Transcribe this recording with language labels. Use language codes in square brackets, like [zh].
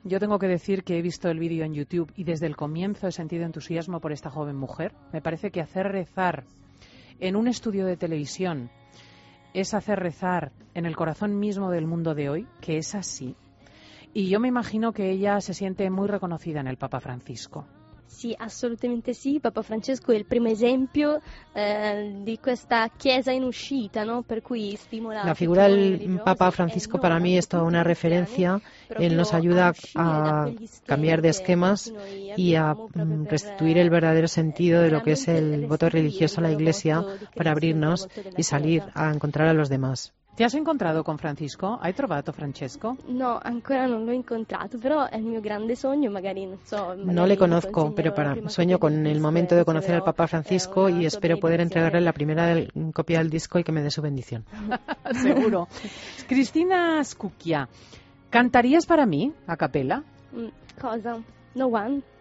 [es] Yo tengo que decir que he visto el vídeo en YouTube y desde el comienzo he sentido entusiasmo por esta joven mujer. Me parece que hacer rezar en un estudio de televisión es hacer rezar en el corazón mismo del mundo de hoy, que es así. Y yo me imagino que ella se siente muy reconocida en el Papa Francisco. [it] Sì, assolutamente sì. Papa Francesco è il primo esempio di questa chiesa in uscita, no? Per cui stimola. [es] La figura del Papa Francisco per me è stata una referenza. Él nos ayuda a cambiar de esquemas y a restituir el verdadero sentido de lo que es el voto religioso a la Iglesia para abrirnos y salir a encontrar a los demás. ¿Te has encontrado con Francisco? [it] ¿Hai trovato Francesco? No, ancora non l'ho incontrato, però è il mio grande sogno, magari non so. Magari [es] no le conozco, pero sueño con el momento de conocer al Papa Francisco y espero poder entregarle la primera copia del disco y que me dé su bendición. Seguro. Cristina Scucchia, ¿cantarías para mí a capella? [it] Cosa? No One.